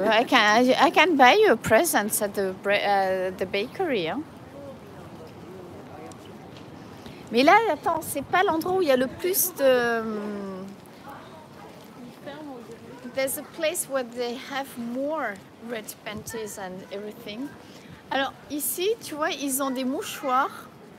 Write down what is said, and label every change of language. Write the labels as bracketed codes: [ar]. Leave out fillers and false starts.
[en] I can buy you a present at the bakery. Hein. [fr] Mais là, attends, c'est pas l'endroit où il y a le plus de... [en] There's a place where they have more red panties and everything. [fr] Alors, ici, tu vois, ils ont des mouchoirs.